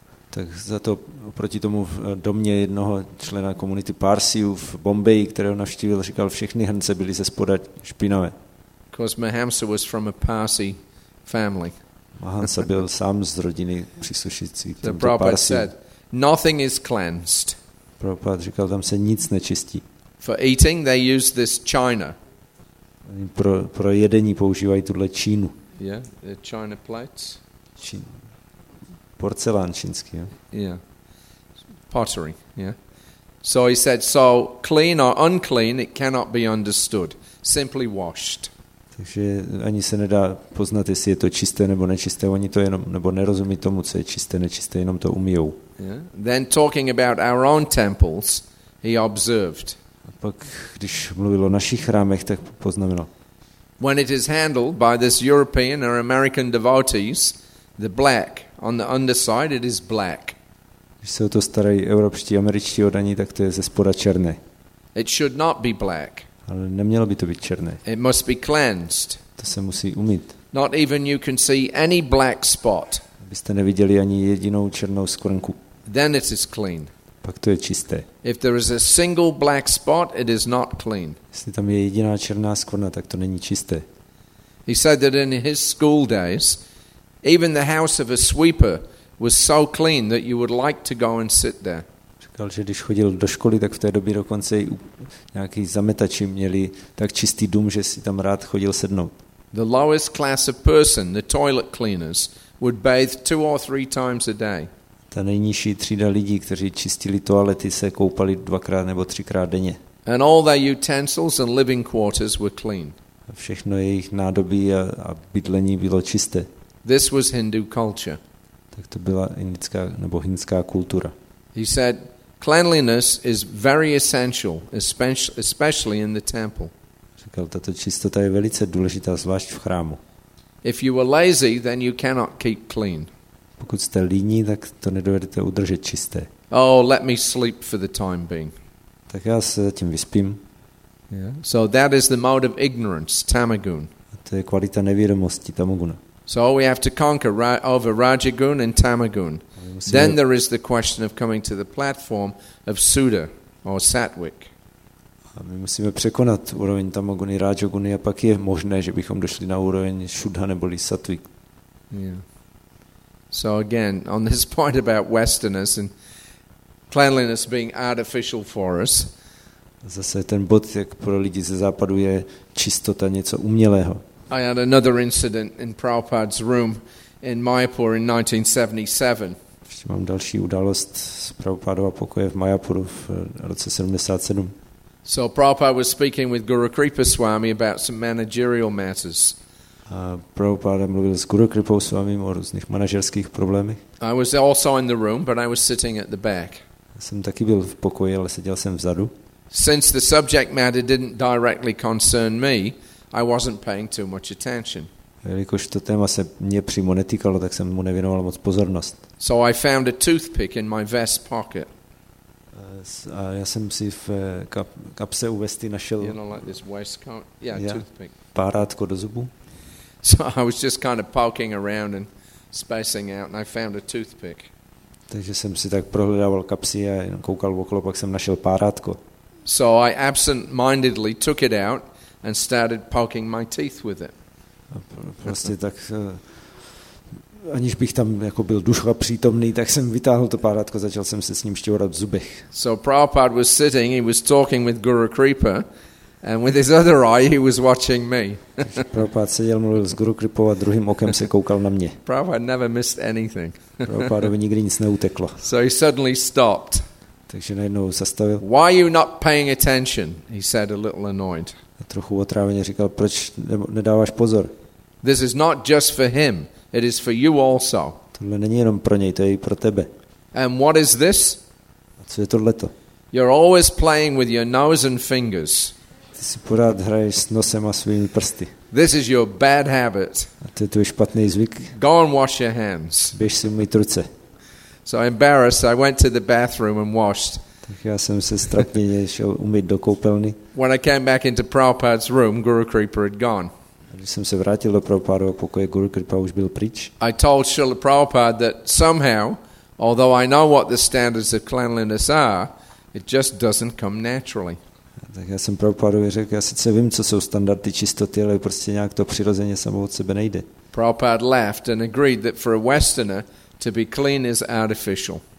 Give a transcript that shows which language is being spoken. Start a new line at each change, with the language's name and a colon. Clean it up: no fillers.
Czech: Tak za to proti tomu v domě jednoho člena komunity Parsiů v Bombaji, kterého navštívil, říkal, všechny hrnce byly ze spoda špinavé.
English: Because Mahamsa was from a Parsi family.
Czech: Mahamsa byl sám z rodiny příslušící k tomto Parsi.
English: Nothing is cleansed.
Czech: Prabhupada říkal, tam se nic nečistí.
English: For eating they use this china.
Czech: Pro jedení používají tuhle čínu.
English: Yeah, the china plates.
Czech: Čínu. Porcelán čínský, jo?
English: Yeah. Pottery, yeah. So he said, so clean or unclean, it cannot be understood. Simply washed.
Czech: Takže ani se nedá poznat, jestli je to čisté nebo nečisté, oni to jenom nebo nerozumí tomu, co je čisté, nečisté, jenom to umyjou.
English: Then talking about our own temples, he observed.
Czech: A pak když mluvil o našich chrámech, tak poznamenal.
English: When it is handled by this European or American devotees, the black on the underside, it is black.
Czech: Když se o to starají evropští, američtí odaní, tak to je ze spoda černé.
English: It should not be black.
Czech: Ale nemělo by to být černé.
English: It must be cleansed.
Czech: To se musí umýt.
English: Not even you can see any black spot.
Czech: Abyste neviděli ani jedinou černou skvrnku.
English: Then it is clean.
Czech: Pak to je čisté.
English: If there is a single black spot, it is not clean.
Czech: Jestli tam je jediná černá skvrna, tak to není čisté.
English: He said that in his school days, even the house of a sweeper was so clean that you would like to go and sit there.
Czech: Říkal, že když chodil do školy, tak v té době dokonce nějaký zametači měli tak čistý dům, že si tam rád chodil sednout.
English: The lowest class of person, the toilet cleaners, would bathe two or three times a day.
Czech: Ta nejnižší třída lidí, kteří čistili toalety, se koupali dvakrát nebo třikrát denně.
English: And all their utensils and living quarters were clean.
Czech: A všechno jejich nádobí a bydlení bylo čisté.
English: This was Hindu culture.
Czech: Tak to byla indická nebo hindská kultura.
English: He said cleanliness is very essential, especially in the temple.
Czech: Říkal, tato čistota je velice důležitá, zvlášť v chrámu.
English: If you are lazy, then you cannot keep clean.
Czech: Pokud jste líní, tak to nedovedete udržet čisté.
English: Oh, let me sleep for the time being.
Czech: Tak já se zatím vyspím.
English: Yeah. So that is the mode of ignorance, tamagun.
Czech: To je kvalita nevědomosti, tamaguna.
English: So we have to conquer over rajagun and tamagun. Then there is the question of coming to the platform of Suda or Satvik.
Czech: My musíme překonat úroveň tamaguny, rajaguny a pak je možné, že bychom došli na úroveň Shuddha neboli Satvik.
English: Yeah. So again, on this point about Westerners and cleanliness being artificial for us.
Czech: Zase ten bod, jak pro lidi ze západu je čistota něco umělého.
English: I had another incident in Prabhupada's room in Mayapur in 1977.
Czech: Ještě mám další událost z Prabhupádova pokoje v Mayapuru v roce 77.
English: So Prabhupada was speaking with Guru Kripa Swami about some managerial matters.
Czech: A Prabhupada mluvil s Guru Kripa Swami o různých manažerských problémech.
English: I was also in the room, but I was sitting at the back.
Czech: Já jsem taky byl v pokoji, ale seděl jsem vzadu.
English: Since the subject matter didn't directly concern me, I wasn't paying too much attention.
Czech: Jelikož to téma se mě přímo netýkalo, tak jsem mu nevěnoval moc pozornost.
English: So I found a toothpick in my vest pocket.
Czech: A já jsem si v kapse u vesty našel.
English: You know, like this waistcoat. Yeah, yeah, toothpick.
Czech: Párátko do zubu.
English: So I was just kind of poking around and spacing out, and I found a toothpick.
Czech: Takže jsem si tak prohledával kapsy a koukal okolo, pak jsem našel párátko.
English: So I absent-mindedly took it out and started poking my teeth with it.
Czech: Prostě tak, aniž bych tam jako byl ducha přítomný, tak jsem vytáhl to párátko, začal jsem se s ním štěvorat v zubech.
English: So Prabhupada was sitting, he was talking with Guru Kripa, and with his other eye he was watching me.
Czech: Prabhupada seděl, mluvil s Guru Kripou a druhým okem se koukal na mě.
English: Prabhupada never missed anything.
Czech: Prabhupadovi nikdy nic neuteklo.
English: So he suddenly stopped.
Czech: Takže najednou zastavil.
English: Why are you not paying attention? He said a little annoyed.
Czech: A trochu otráveně říkal, proč nedáváš pozor?
English: This is not just for him, it is for you also.
Czech: Tohle není jenom pro něj, to je i pro tebe.
English: And what is this?
Czech: A co je tohleto?
English: You're always playing with your nose and fingers.
Czech: Ty si pořád hraješ s nosem a svými prsty.
English: This is your bad habit.
Czech: A to je tvůj špatný zvyk.
English: Go and wash your hands.
Czech: Běž si umýt ruce.
English: So embarrassed, I went to the bathroom and washed.
Czech: Tak já jsem se strapněně šel umýt do koupelny.
English: When I came back into Prabhupada's room, Guru Kripa had gone.
Czech: Když jsem se vrátil do Prabhupádova pokoje, Guru Kripa už byl pryč.
English: I told Srila Prabhupada that somehow, although I know what the standards of cleanliness are, it just doesn't come naturally.
Czech: Tak já jsem Prabhupádovi řekl, já sice vím, co jsou standardy čistoty, ale prostě nějak to přirozeně samo od sebe nejde.
English: Prabhupada laughed and agreed that for a Westerner to be clean is artificial.